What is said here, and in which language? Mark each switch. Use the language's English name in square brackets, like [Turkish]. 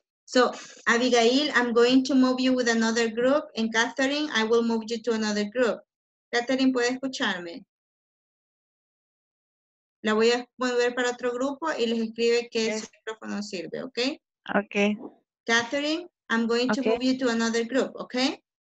[English] So, Abigail, I'm going to move you with another group, and Catherine, I will move you to another group. [Spanish] Catherine, ¿puede escucharme? La voy a mover para otro grupo y les escribe que yes. Su micrófono sirve, ¿ok? Ok. [English] Catherine, I'm going to move you to another group, okay?